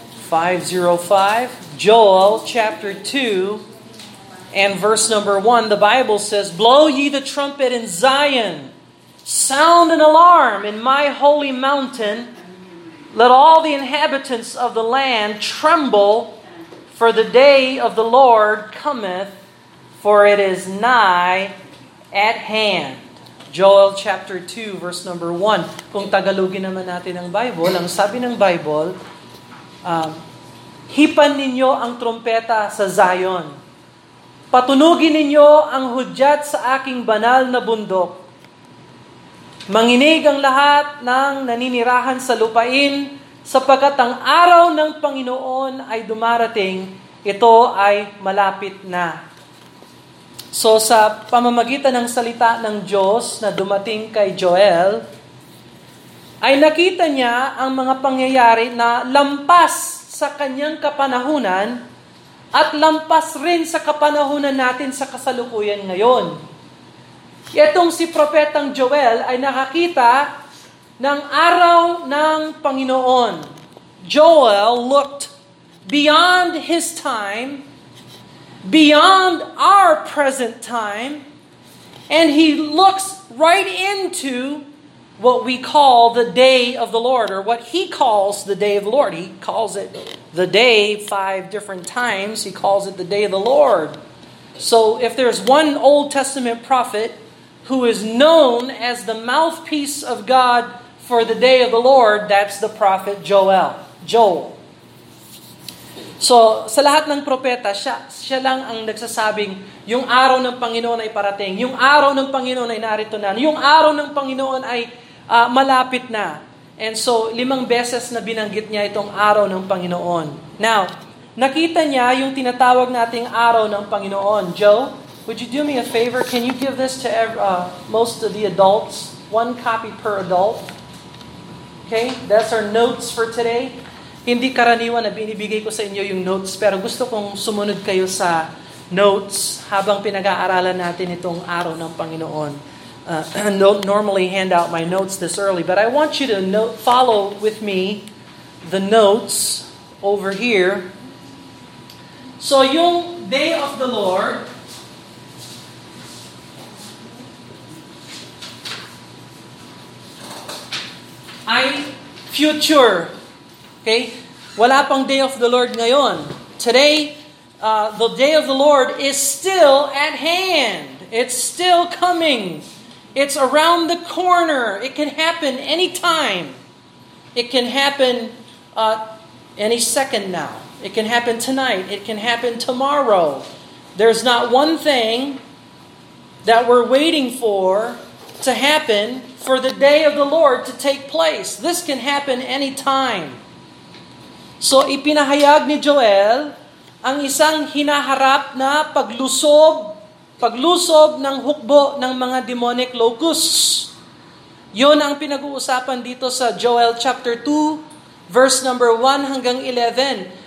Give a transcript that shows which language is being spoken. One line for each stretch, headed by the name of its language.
English: 505, Joel chapter 2 and verse number 1, the Bible says, "Blow ye the trumpet in Zion, sound an alarm in my holy mountain, let all the inhabitants of the land tremble, for the day of the Lord cometh, for it is nigh at hand." Joel chapter 2, verse number 1.
Filipino: Kung Tagalogin naman natin ang Bible, ang sabi ng Bible, hipan ninyo ang trompeta sa Zion. Patunugin ninyo ang hudyat sa aking banal na bundok. Manginig ang lahat ng naninirahan sa lupain, sapagkat ang araw ng Panginoon ay dumarating, ito ay malapit na. So sa pamamagitan ng salita ng Diyos na dumating kay Joel, ay nakita niya ang mga pangyayari na lampas sa kanyang kapanahunan at lampas rin sa kapanahunan natin sa kasalukuyan ngayon. Itong si Propetang Joel ay nakakita ng araw ng Panginoon.
English: Joel looked beyond his time, beyond our present time, and he looks right into what we call the day of the Lord, or what he calls the day of the Lord. He calls it the day 5 different times. He calls it the day of the Lord. So if there's one Old Testament prophet who is known as the mouthpiece of God for the day of the Lord, that's the prophet Joel.
Filipino: So, sa lahat ng propeta, siya lang ang nagsasabing, yung araw ng Panginoon ay parating, yung araw ng Panginoon ay narito na, yung araw ng Panginoon ay malapit na. And so, 5 beses na binanggit niya itong araw ng Panginoon. Now, nakita niya yung tinatawag nating araw ng Panginoon.
English: Joe, would you do me a favor? Can you give this to most of the adults? 1 copy per adult. Okay, that's our notes for today.
Filipino: Hindi karaniwan na binibigay ko sa inyo yung notes, pero gusto kong sumunod kayo sa notes habang pinag-aaralan natin itong araw ng Panginoon.
English: Don't normally hand out my notes this early, but I want you to follow with me the notes over here.
Filipino: So yung Day of the Lord, ay future. Okay? Wala pang Day of the Lord ngayon.
English: Today, the Day of the Lord is still at hand. It's still coming. It's around the corner. It can happen anytime. It can happen any second now. It can happen tonight. It can happen tomorrow. There's not one thing that we're waiting for to happen for the Day of the Lord to take place. This can happen anytime.
Filipino: So ipinahayag ni Joel ang isang hinaharap na paglusob ng hukbo ng mga demonic locusts. Yun ang pinag-uusapan dito sa Joel chapter 2, verse number 1 hanggang 11.